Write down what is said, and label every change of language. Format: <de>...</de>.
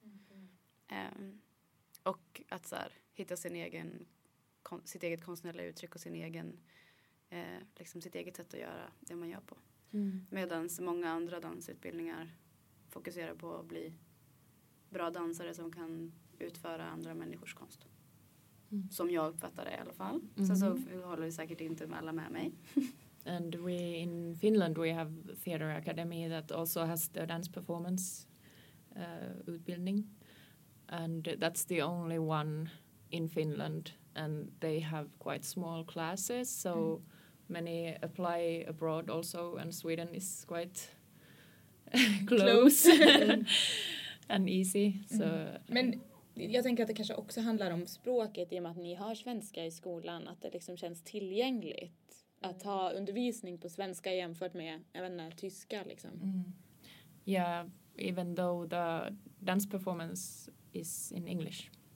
<sv>Mm-hmm. Och att så här, hitta sin egen sitt eget konstnärliga uttryck och sin egen liksom sitt eget sätt att göra det man gör på. Mm. Medan många andra dansutbildningar fokuserar på att bli bra dansare som kan utföra andra människors konst. Mm. Som jag uppfattar det i alla fall. Mm-hmm. Sen så håller vi säkert inte med alla med mig.</sv> <en>And we in Finland we have theater academy that also has the dance performance utbildning. And that's the only one in Finland. And they have quite small classes. So many apply abroad also. And Sweden is quite close. And easy. So. Mm.</en> <sv>Men jag tänker att det kanske också handlar om språket, i och med att ni har svenska i skolan, att det liksom känns tillgängligt att ha undervisning på svenska jämfört med, jag vet inte, tyska liksom. Mm.</sv> <en>Yeah, even though the dance performance is in English.</en>